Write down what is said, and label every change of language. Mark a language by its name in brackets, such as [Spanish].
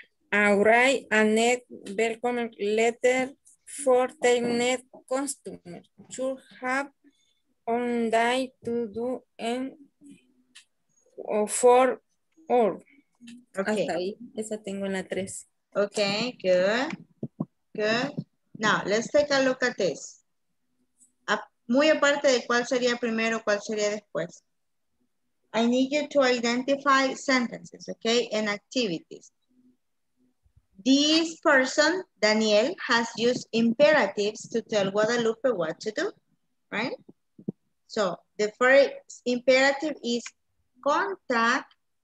[English] I'll write a net welcome letter for the net customer to have on day to do and for all. Okay. [Spanish] Hasta ahí. Esa tengo en la 3. [English] Okay, good. Good. Now, let's take a look at this. [Spanish] Muy aparte de cuál sería primero, cuál sería después. [English] I need you to identify sentences, okay, and activities. This person, Daniel, has used imperatives to tell Guadalupe what to do, right? So the first imperative is contact.